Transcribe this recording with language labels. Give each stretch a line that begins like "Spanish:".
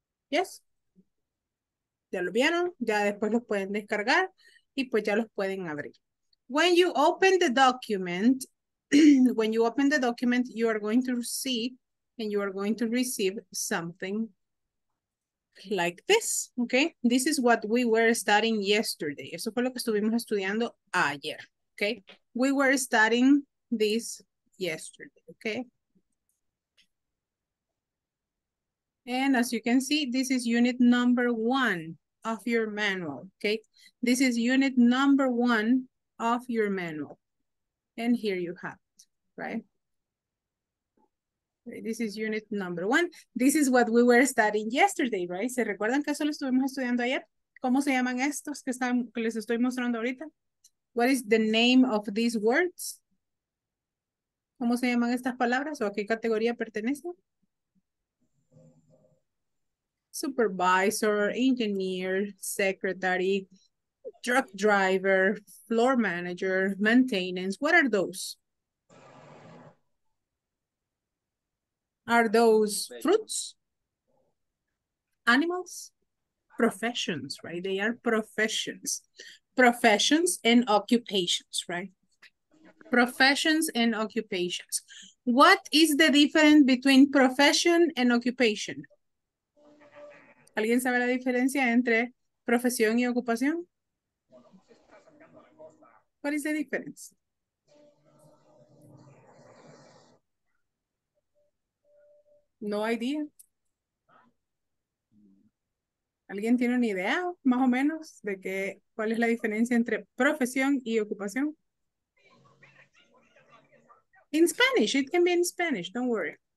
English: Yes.
Spanish: Ya lo vieron, ya después los pueden descargar y pues ya los pueden abrir.
English: When you open the document, you are going to see and you are going to receive something like this, okay? This is what we were studying yesterday. Eso fue lo que estuvimos estudiando ayer, okay? We were studying this yesterday, okay? And as you can see, this is unit number 1. Of your manual, okay? This is unit number 1 of your manual. And here you have it, right? This is unit number 1. This is what we were studying yesterday, right?
Spanish: ¿Se recuerdan que eso lo estuvimos estudiando ayer? ¿Cómo se llaman estos que les estoy mostrando ahorita?
English: What is the name of these words?
Spanish: ¿Cómo se llaman estas palabras o a qué categoría pertenecen?
English: Supervisor, engineer, secretary, truck driver, floor manager, maintenance. What are those? Are those fruits? Animals? Professions, right? They are professions. Professions and occupations, right? Professions and occupations. What is the difference between profession and occupation?
Spanish: ¿Alguien sabe la diferencia entre profesión y ocupación?
English: What is the difference? No idea.
Spanish: ¿Alguien tiene una idea, más o menos, de que cuál es la diferencia entre profesión y ocupación?
English: In Spanish, it can be in Spanish, don't worry.